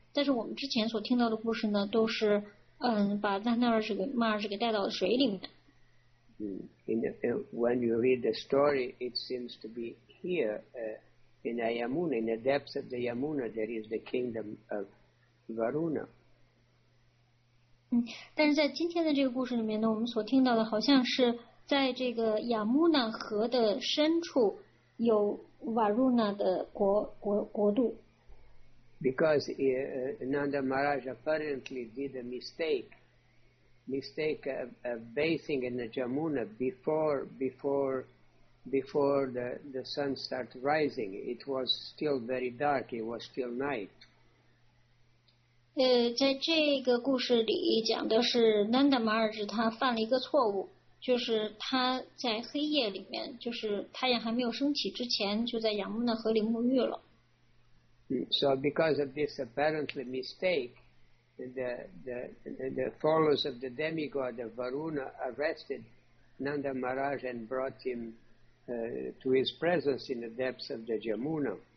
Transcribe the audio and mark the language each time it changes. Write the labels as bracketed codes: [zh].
[zh] 但是我们之前所听到的故事呢，都是把 Nanda Maharaj 给带到了水里面。 [en] When you read the story, it seems to be here in Yamuna, in the depths of the Yamuna, there is the kingdom of Varuna. [zh] 但是在今天的这个故事里面呢，我们所听到的好像是在这个亚穆纳河的深处有瓦鲁纳的国度。 [en] Because Nanda Maharaj apparently did a mistake mistake bathing in the Jamuna before the sun started rising. It was still very dark. It was still night. [zh] 在这个故事里讲的是南达马尔日他犯了一个错误，就是他在黑夜里面，就是太阳还没有升起之前，就在仰慕的河里沐浴了。 [en] So because of this apparently mistake, the followers of the demigod Varuna arrested Nanda Maharaj and brought him to his presence in the depths of the Jamuna.